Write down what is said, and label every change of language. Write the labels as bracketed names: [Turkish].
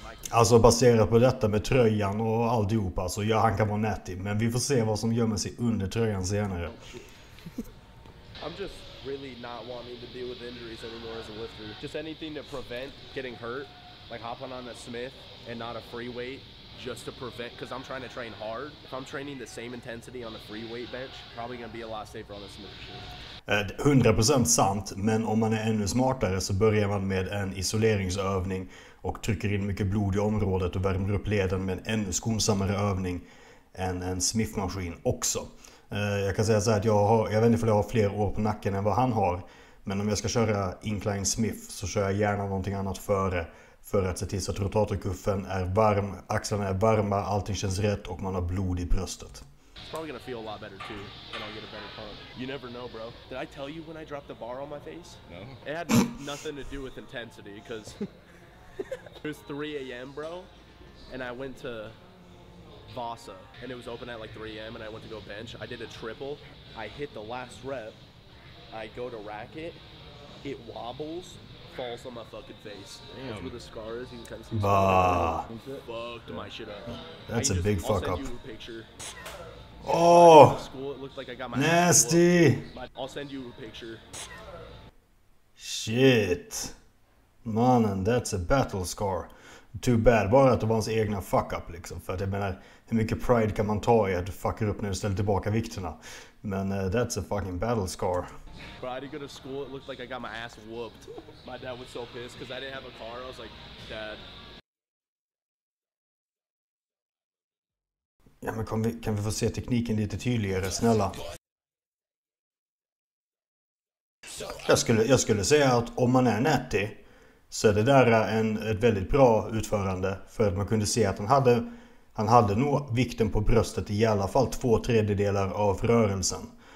[Swedish] Alltså baserat på detta med tröjan och alltihopa, så ja, han kan vara natty, men vi får se vad som gömmer sig under tröjan senare. [English] I'm just really not wanting to deal with injuries anymore as a lifter. Just anything to prevent getting hurt, like hopping on a Smith and not a free weight, just to prevent, because I'm trying to train hard. If I'm training the same intensity on the free weight bench, probably going to be a lot safer on the Smith machine. [Swedish] 100% sant, men om man är ännu smartare så börjar man med en isoleringsövning och trycker in mycket blod i området och värmer upp leden med en ännu skonsammare övning än en Smith-maskin också. Jag kan säga så här att jag vet inte om jag har fler år på nacken än vad han har, men om jag ska köra Incline Smith så kör jag gärna någonting annat före för att se till så att rotatorkuffen är varm, axlarna är varma, allting känns rätt och man har blod i bröstet. [English] Probably gonna feel a lot better too, and I'll get a better pump. You never know, bro. Did I tell you when I dropped the bar on my face? No. It had nothing to do with intensity, because it was 3 a.m., bro, and I went to Vasa, and it was open at like 3 a.m., and I went to go bench. I did a triple. I hit the last rep. I go to rack it. It wobbles, falls on my fucking face. Damn. That's where the scar is. You can kind of see. Bah. Fucked my shit up. That's a big fuck up. I'll send you a picture. Oh, school, it looked like I got my nasty. I'll send you a picture. Shit. Mannen, that's a battle scar. Too bad, [Swedish] bara att det var hans egna fuck up liksom. För att jag menar, hur mycket pride kan man ta i att du fuckar upp när du ställer tillbaka vikterna? [English] Men that's a fucking battle scar. Bro, I didn't go to school, it looked like I got my ass whooped. My dad was so pissed because I didn't have a car. I was like, dad. [Swedish] Ja, men kan vi få se tekniken lite tydligare, snälla? Jag skulle säga att om man är netty så är det där ett väldigt bra utförande, för att man kunde se att han hade nog vikten på bröstet i alla fall 2/3 av rörelsen.